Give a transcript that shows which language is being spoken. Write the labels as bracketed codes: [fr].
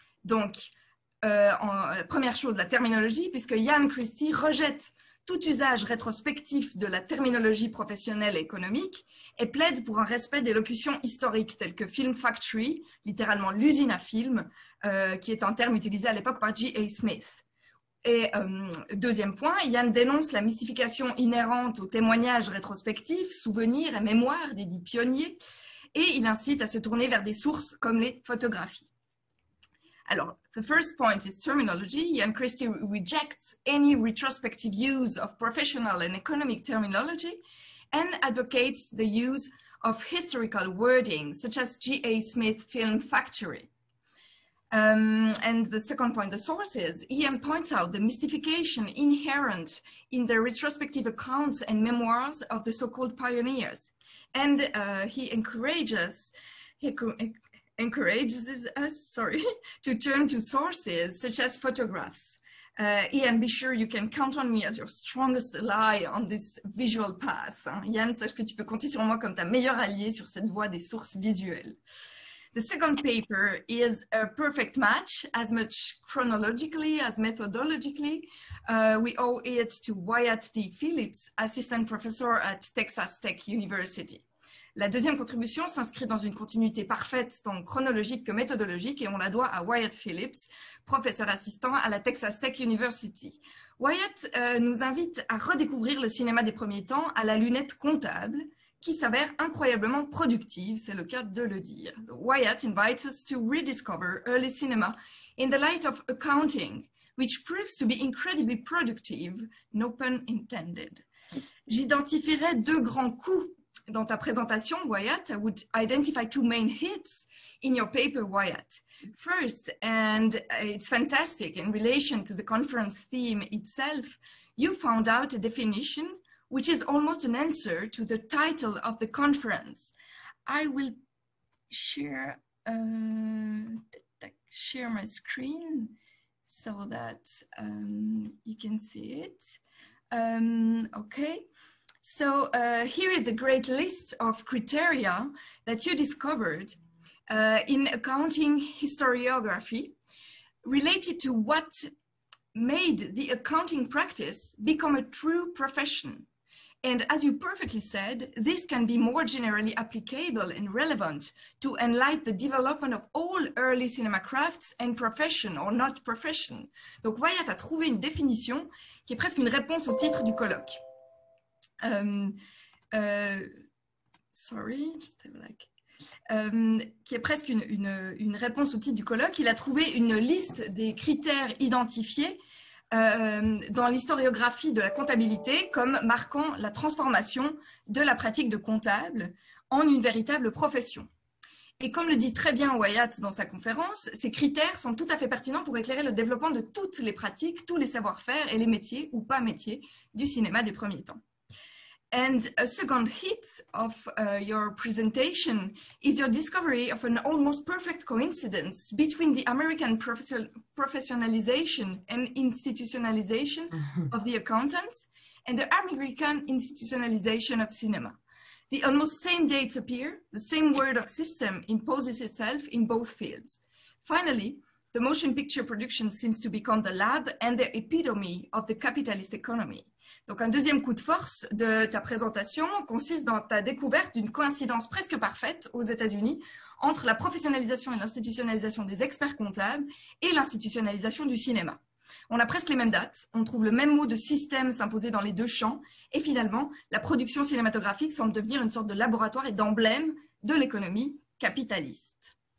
[fr] Donc, première chose, la terminologie, puisque Ian Christie rejette tout usage rétrospectif de la terminologie professionnelle et économique et plaide pour un respect des locutions historiques telles que film factory, littéralement l'usine à film, qui est un terme utilisé à l'époque par G.A. Smith. Et deuxième point, Ian dénonce la mystification inhérente aux témoignages rétrospectifs, souvenirs et mémoires des dits pionniers, et il incite à se tourner vers des sources comme les photographies. [en] Alors, the first point is terminology. Ian Christie rejects any retrospective use of professional and economic terminology and advocates the use of historical wording, such as G.A. Smith Film Factory. And the second point, the sources, Ian points out the mystification inherent in the retrospective accounts and memoirs of the so-called pioneers. And he encourages us to turn to sources such as photographs. Ian, be sure you can count on me as your strongest ally on this visual path. [fr] Ian, sache que tu peux compter sur moi comme ta meilleure alliée sur cette voie des sources visuelles. [en] The second paper is a perfect match, as much chronologically as methodologically. We owe it to Wyatt D. Phillips, assistant professor at Texas Tech University. [fr] La deuxième contribution s'inscrit dans une continuité parfaite tant chronologique que méthodologique et on la doit à Wyatt Phillips, professeur assistant à la Texas Tech University. Wyatt nous invite à redécouvrir le cinéma des premiers temps à la lunette comptable qui s'avère incroyablement productive, c'est le cas de le dire. [en] Wyatt invites us to rediscover early cinema in the light of accounting, which proves to be incredibly productive, no pun intended. [fr] J'identifierai deux grands coups dans ta présentation, Wyatt. [en] I would identify two main hits in your paper, Wyatt. First, and it's fantastic in relation to the conference theme itself, you found out a definition which is almost an answer to the title of the conference. I will share my screen so that you can see it. Okay. So here is the great list of criteria that you discovered in accounting historiography related to what made the accounting practice become a true profession. And as you perfectly said, this can be more generally applicable and relevant to enlighten the development of all early cinema crafts and profession or not profession. [fr] Donc Wyatt a trouvé une définition qui est presque une réponse au titre du colloque. Qui est presque une réponse au titre du colloque. Il a trouvé une liste des critères identifiés dans l'historiographie de la comptabilité comme marquant la transformation de la pratique de comptable en une véritable profession. Et comme le dit très bien Wyatt dans sa conférence, ces critères sont tout à fait pertinents pour éclairer le développement de toutes les pratiques, tous les savoir-faire et les métiers ou pas métiers du cinéma des premiers temps. [en] And a second hit of your presentation is your discovery of an almost perfect coincidence between the American professionalization and institutionalization of the accountants and the American institutionalization of cinema. The almost same dates appear, the same word of system imposes itself in both fields. Finally, the motion picture production seems to become the lab and the epitome of the capitalist economy. [fr] Donc, un deuxième coup de force de ta présentation consiste dans ta découverte d'une coïncidence presque parfaite aux États-Unis entre la professionnalisation et l'institutionnalisation des experts comptables et l'institutionnalisation du cinéma. On a presque les mêmes dates, on trouve le même mot de système s'imposer dans les deux champs et finalement, la production cinématographique semble devenir une sorte de laboratoire et d'emblème de l'économie capitaliste.